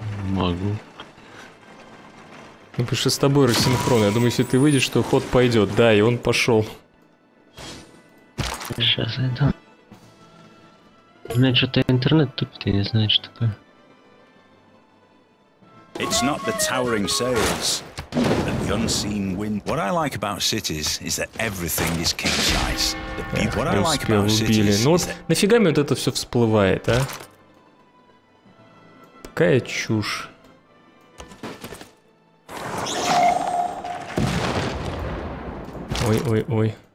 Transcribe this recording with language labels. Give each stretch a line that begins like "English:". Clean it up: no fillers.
Russian: Могу. Ну, потому что с тобой рассинхрон. Я думаю, если ты выйдешь, то ход пойдет. Да, и он пошел. Сейчас зайду. Блин, что-то интернет тупит, я не знаю, что такое.
English: It's not the towering sails and the unseen wind. What I like about cities is that everything is king size. What I like about cities.
Russian: Ну вот нафига мне вот это все всплывает, а? Такая чушь. Ой-ой-ой.